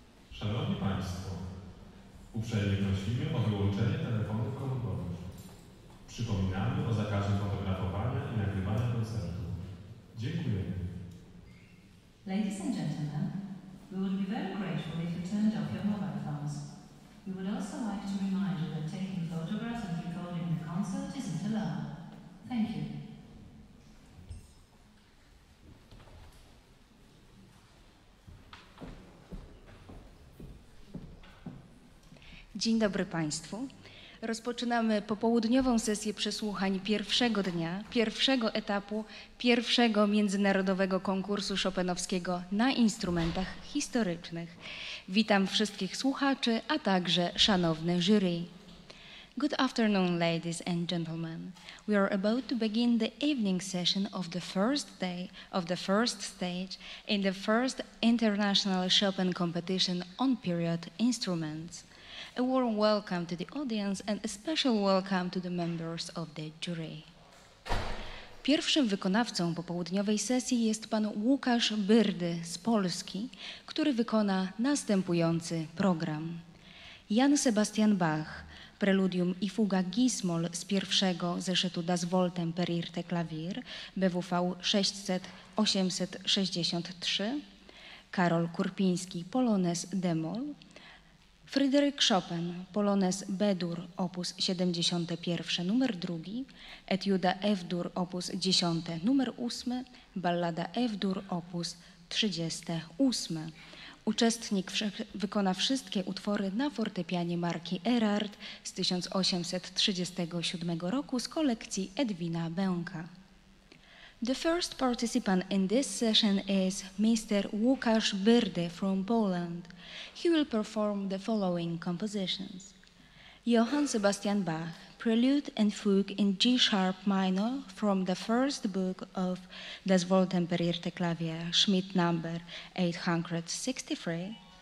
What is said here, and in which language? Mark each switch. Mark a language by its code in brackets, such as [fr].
[pl] Szanowni Państwo, uprzejmie prosimy o wyłączenie telefonów komórkowych. Przypominamy o zakazie fotografowania i nagrywania koncertu. Dziękujemy. [en] Ladies and gentlemen, we would be very grateful if you turned off your mobile phones. We would also like to remind you that taking photographs and recording the concert isn't allowed. Thank you. [pl] Dzień dobry Państwu. Rozpoczynamy popołudniową sesję przesłuchań pierwszego dnia, pierwszego etapu, pierwszego międzynarodowego konkursu chopinowskiego na instrumentach historycznych. Witam wszystkich słuchaczy, a także szanowne jury. [en] Good afternoon, ladies and gentlemen. We are about to begin the evening session of the first day of the first stage in the first international Chopin competition on period instruments. A warm welcome to the audience and a special welcome to the members of the jury. [pl] Pierwszym wykonawcą popołudniowej sesji jest pan Łukasz Byrdy z Polski, który wykona następujący program. Jan Sebastian Bach, preludium i fuga Gismol z pierwszego zeszytu Das Voltem per Irte Klavier, BWV 600-863, Karol Kurpiński, Polonez Demol, Fryderyk Chopin, Polonez B-dur, opus 71, numer 2, Etiuda F-dur, opus 10, numer 8, Ballada F-dur, opus 38. Uczestnik wykona wszystkie utwory na fortepianie marki Erard z 1837 roku z kolekcji Edwina Bęka. [en] The first participant in this session is Mr. Łukasz Byrdy from Poland. He will perform the following compositions. Johann Sebastian Bach, Prelude and Fugue in G sharp minor from the first book of Das Voltem per Irte Klavier, Schmidt number 863.